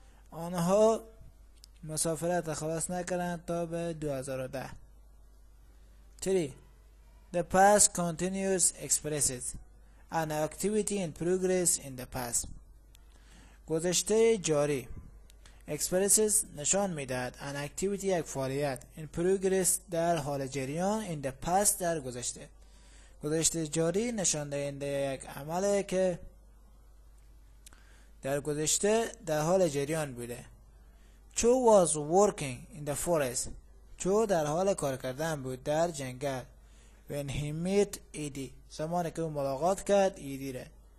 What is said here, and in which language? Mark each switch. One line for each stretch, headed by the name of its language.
Persian: آنها مسافرت خلاص نکردند تا به 2010. 3.
English: The past continues expresses an activity in progress in the past.
Persian: گذشته جاری expresses نشان میدهد
English: an activity
Persian: یک فعالیت
English: in progress
Persian: در حال جریان
English: in the past
Persian: در گذشته گذشته جاری نشان دهنده یک عمله که در گذشته در حال جریان بوده چو
English: was working in the forest
Persian: چو در حال کار کردن بود در جنگل
English: when he met Eddie
Persian: زمانی که او ملاقات کرد Eddie ره